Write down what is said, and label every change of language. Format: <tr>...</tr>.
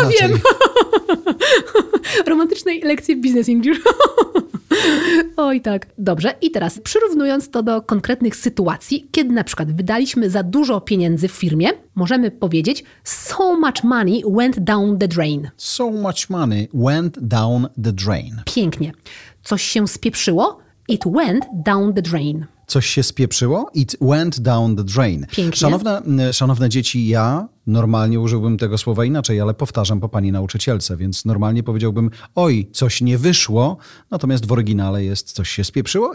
<pl>Inaczej. Wiem. Romantycznej lekcji w business English. Oj tak. Dobrze. I teraz przyrównując to do konkretnych sytuacji, kiedy na przykład wydaliśmy za dużo pieniędzy w firmie, możemy powiedzieć</pl> <en>so much money went down the drain. So much money went down the drain.</en> <pl>Pięknie. Coś się spieprzyło,</pl> <en>it went down the drain.</en> <pl>Coś się spieprzyło?</pl> <en>It went down the drain.</en> <pl>Pięknie. Szanowne dzieci, ja normalnie użyłbym tego słowa inaczej, ale powtarzam po pani nauczycielce, więc normalnie powiedziałbym, oj, coś nie wyszło, natomiast w oryginale jest coś się spieprzyło.</pl>